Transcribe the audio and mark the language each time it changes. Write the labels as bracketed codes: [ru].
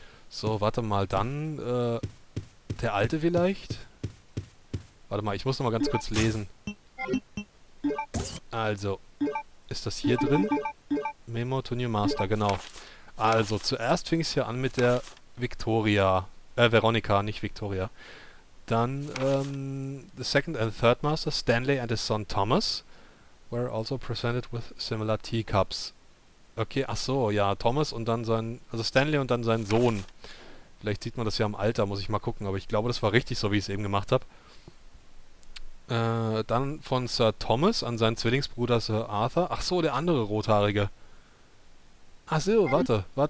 [de] So, warte mal, dann, der Alte vielleicht? Warte mal, ich muss nochmal ganz kurz lesen. Also, ist das hier drin? Memo to New Master, genau. Also, zuerst fing es hier an mit der Victoria. Veronica, nicht Victoria. [en] Dann, the second and third master, Stanley and his son Thomas. were also presented with similar teacups. [de] Okay, ach so, ja, Thomas und dann sein, also Stanley und dann sein Sohn. Vielleicht sieht man das ja am Alter, muss ich mal gucken, aber ich glaube, das war richtig so, wie ich es eben gemacht habe. Dann von Sir Thomas an seinen Zwillingsbruder Sir Arthur. Ach so, der andere Rothaarige. Ach so, warte.